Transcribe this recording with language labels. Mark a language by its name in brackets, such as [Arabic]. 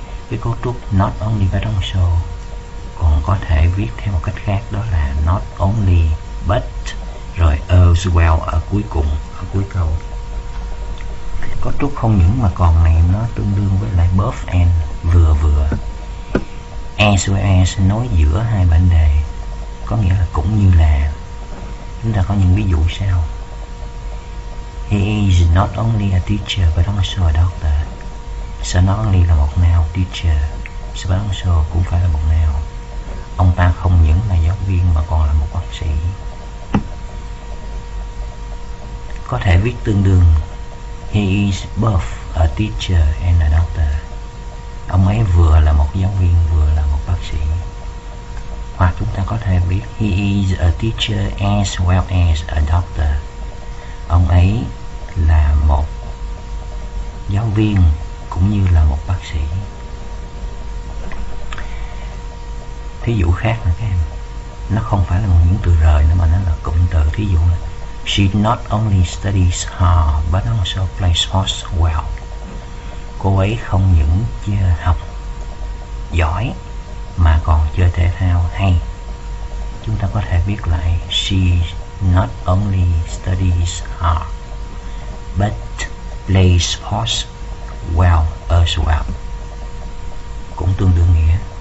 [Vietnamese] Cái cấu trúc not only but also còn có thể viết theo một cách khác, đó là not only but rồi as well ở cuối cùng, ở cuối câu. Cấu trúc không những mà còn này nó tương đương với lại both and, vừa vừa. As well as nối giữa hai bản đề, có nghĩa là cũng như là. Chúng ta có những ví dụ sau. [English] He is not only a teacher but also a doctor. [Vietnamese] So not only là một noun teacher, so but also cũng phải là một noun. Ông ta không những là giáo viên mà còn là một bác sĩ. Có thể viết tương đương [English] He is both a teacher and a doctor. [Vietnamese] Ông ấy vừa là một giáo viên vừa là một bác sĩ. Hoặc chúng ta có thể viết [English] He is a teacher as well as a doctor. [Vietnamese] Ông ấy là một giáo viên cũng như là một bác sĩ. Thí dụ khác nữa các em, nó không phải là một những từ rời nữa mà nó là cụm từ. Thí dụ là [English] She not only studies hard but also plays sports well. [Vietnamese] Cô ấy không những học giỏi mà còn chơi thể thao hay. Chúng ta có thể viết lại [English] She not only studies hard but plays sports well as well. [Vietnamese] Cũng tương đương nghĩa.